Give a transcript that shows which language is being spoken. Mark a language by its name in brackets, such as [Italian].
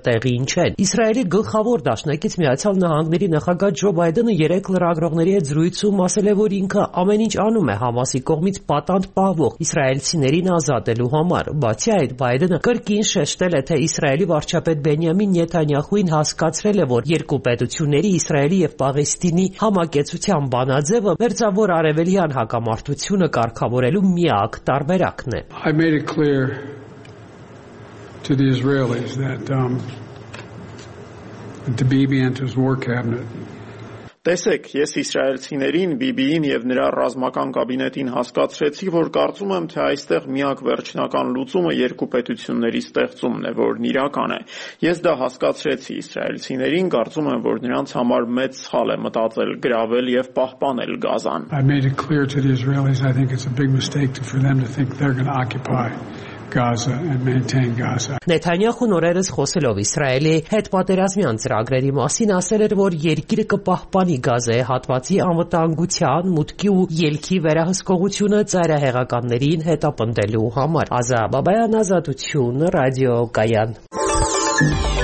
[Armenian] տեղի չեն։ Իսրայելի գլխավոր դաշնակից Միացյալ Նահանգների նախագահ Ջո Բայդենը երեք լրագրողների հետ զրույցում ասել է, որ ինքը ամեն ինչ անում է Համասի կողմից պատանդ պահվող իսրայելցիներին ազատելու համար։ Բացի այդ, Բայդենը կրկին շեշտել է, թե իսրայելի վարչապետ Բենյամին Նեթանյահուին հասկացրել է, որ երկու պետությունների իսրայելի և պաղեստինի համակեցության բանաձևը մերձավոր արևելյան հակամարտությունը կարգավորելու միակ տարբերակն է։ [English] I made it clear to the Israelis that to Bibi and his war cabinet. [Armenian] Տեսեք, ես իսրայելցիներին, Բիբիին և նրա ռազմական կաբինետին հասկացրեցի, որ կարծում եմ, թե այստեղ միակ վերջնական լուծումը երկու պետությունների ստեղծումն է, որն իրական է։ Ես դա հասկացրեցի իսրայելցիներին, կարծում եմ, որ նրանց համար մեծ սխալ է մտածել գրավել և պահպանել Գազան։ [English] I made it clear to the Israelis, I think it's a big mistake to, for them to think they're going to occupy Gaza and maintain Gaza. [Armenian] Նեթանյահուն օրերս խոսելով Իսրայելի հետ պատերազմյան ծրագրերի մասին ասել էր, որ երկիրը կպահպանի Գազայի հատվածի անվտանգության, մուտքի ու ելքի վերահսկողությունը ծայրահեղականներին հետապնդելու համար։ Ազա Բաբայան, Ազատություն, Ռադիո Կայան։